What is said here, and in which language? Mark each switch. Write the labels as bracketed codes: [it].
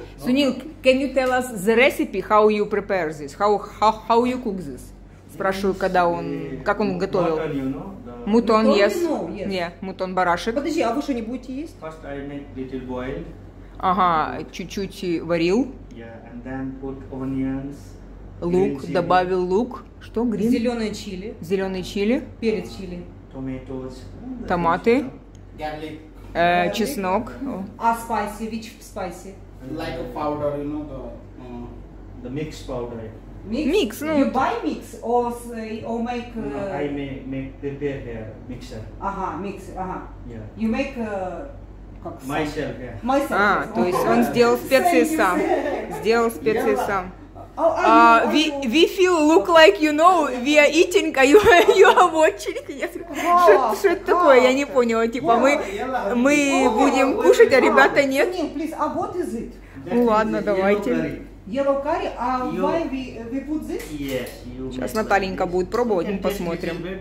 [en] Сунил, can you tell us the recipe, how you prepare this, how you cook this? [ru] Спрашиваю, когда он, как он готовил. Мутон, yes. Не, мутон барашек. Подожди, а вы что-нибудь есть? [en] First I make little boil. [ru] Ага, чуть-чуть варил. [en] Yeah, and then put onions. [ru] Лук, добавил лук. Что, грин? Зеленые чили. Зеленые чили. Перец чили. [en] Tomatoes. [ru] Томаты. [en] Garlic. [ru] Чеснок. [en] А spicy, which spicy? Like a powder, you know, the mixed powder. Mix, ну. You buy mix or make... No, I make prepare here, mixer. [ru] Ага, mixer, ага. [en] Yeah. You make... Myself, yeah. Myself. [ru] А, то есть он сделал специи сам. Сделал специи сам. [en] We feel look like you know, we are eating, а you are watching. [ru] Что это такое? Я не поняла. Типа мы будем кушать, а ребята нет. [en] Please, а what is it? [ru] Ну ладно, давайте. [en] Yellow curry, а why we put this? Yes, [ru] сейчас Наталенька будет пробовать, мы посмотрим.